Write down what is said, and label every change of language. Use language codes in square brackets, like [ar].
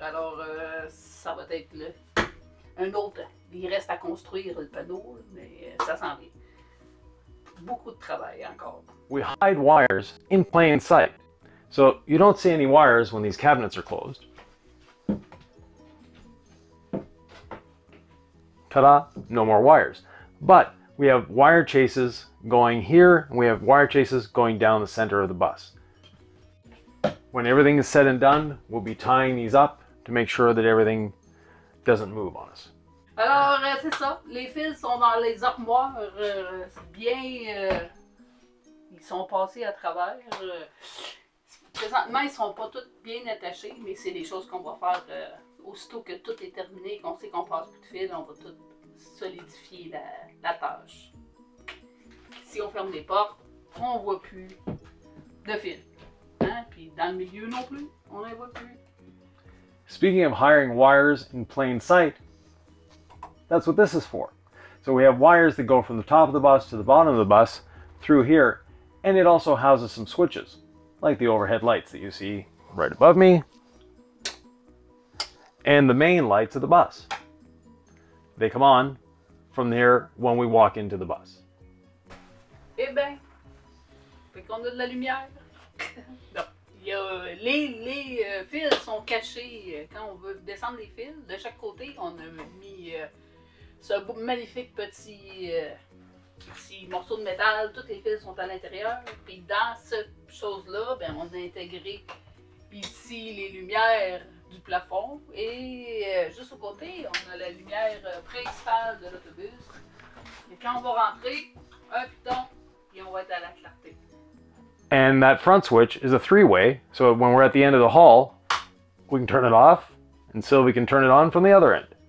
[fr] Alors ça va être là. Un autre, il reste à construire le panneau, mais ça s'en vient. Beaucoup de travail encore. [en] We hide wires in plain sight, so you don't see any wires when these cabinets are closed. Ta-da, no more wires. But we have wire chases going here, and we have wire chases going down the center of the bus. When everything is said and done, we'll be tying these up to make sure that everything doesn't move on us. [fr] Alors, c'est ça, les fils sont dans les armoires, bien... Ils sont passés à travers. Présentement, ils ne sont pas tous bien attachés, mais c'est des choses qu'on va faire aussitôt que tout est terminé, qu'on sait qu'on passe plus de fil, on va tout solidifier la tâche. Si on ferme les portes, on ne voit plus de fil. Hein? Puis dans le milieu non plus, on n'en voit plus. [en] Speaking of hiring wires in plain sight, that's what this is for. So we have wires that go from the top of the bus to the bottom of the bus through here. And it also houses some switches, like the overhead lights that you see right above me, and the main lights of the bus. They come on from there when we walk into the bus. [fr] Eh ben, fait qu'on a de la lumière. Non, y a, les fils sont cachés. Quand on veut descendre les fils, de chaque côté, on a mis ce magnifique petit... Petit morceau de métal, tous les fils sont à l'intérieur. Puis dans cette chose-là, ben, on a intégré ici les lumières du plafond. Et juste au côté, on a la lumière principale de l'autobus. Et quand on va rentrer, un piton, et on va être à la clarté. [en] And that front switch is a three-way, so when we're at the end of the hall, we can turn it off, and Sylvie can turn it on from the other end.